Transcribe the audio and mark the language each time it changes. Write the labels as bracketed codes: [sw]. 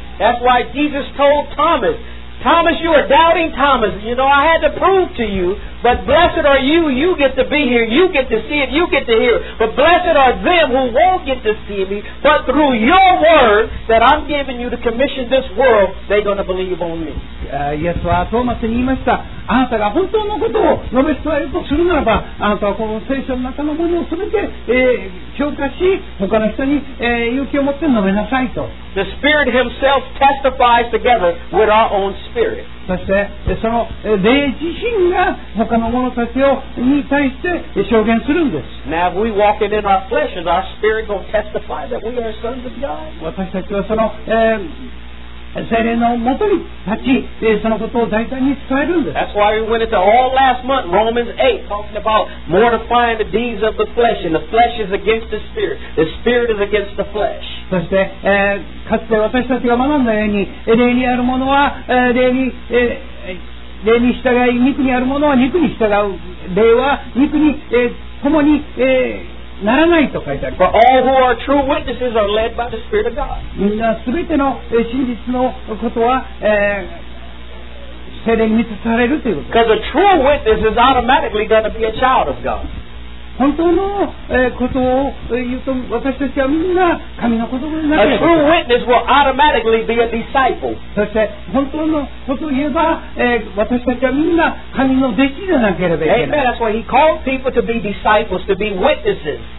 [en] That's why Jesus told Thomas, Thomas, you are doubting Thomas. You know, I had to prove to you But blessed are you. You get to be here. You get to see it. You get to hear it. But blessed are them who won't get to see me, but through your word that I'm giving you to commission this world, they're going to believe on me. [ja] イエスはトーマスに言いました。あなたが本当のことを述べ伝えるとするならば、あなたはこの聖書の中のものを全て、評価し、他の人に、勇気を持って述べなさいと。 [en] The Spirit Himself testifies together with our own spirit. [ja] そしてその霊自身が他の者たちをに対して証言するんです。 [en] Now if we walk it in our flesh, is our spirit going to testify that we are sons of God? [ja] 私たちはその、聖霊のもとに立ち、そのことを大胆に伝えるんです。 [en] That's why we went into all last month, Romans 8, talking about mortifying the deeds of the flesh, and the flesh is against the spirit. The spirit is against the flesh. [ja] そして、かつて私たちが学んだように、霊にあるものは、霊に従い、肉にあるものは肉に従う。霊は肉に、共に、ならないと書いてあります。 [en] For all who are true witnesses are led by the Spirit of God. [ja] みんな全ての真実のことは、聖霊に満たされるということです。 [en] Because a true witness is automatically going to be a child of God. [ja] 本当の、ことを言うと、私たちはみんな神の子供になる。 [en] A true witness will automatically be a disciple. [ja] そして本当のことを言えば、私たちはみんな神の弟子でなければいけない。 [en] Amen. That's why he called people to be disciples, to be witnesses.